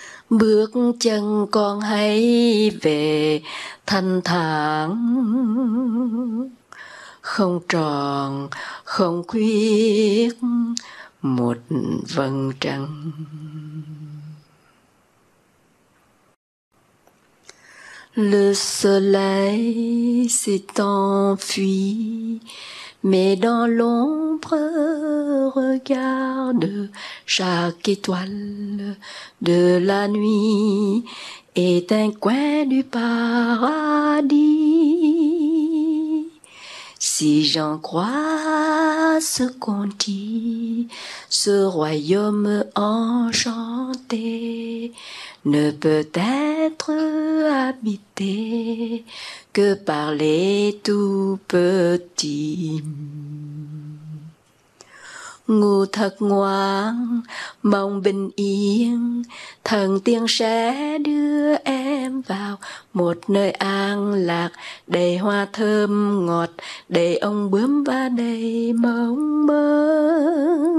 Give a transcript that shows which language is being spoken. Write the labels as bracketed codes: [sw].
[vi] bước chân con hãy về thanh thản, không tròn không khuyết một vầng trăng. [fr] Le soleil s'est enfui, mais dans l'ombre regarde chaque étoile de la nuit, est un coin du paradis. Si j'en crois ce qu'on dit, ce royaume enchanté ne peut être habité que par les tout petits. [vi] Ngủ thật ngoan, mong bình yên, thần tiên sẽ đưa em vào một nơi an lạc, đầy hoa thơm ngọt, đầy ong bướm và đầy mộng mơ.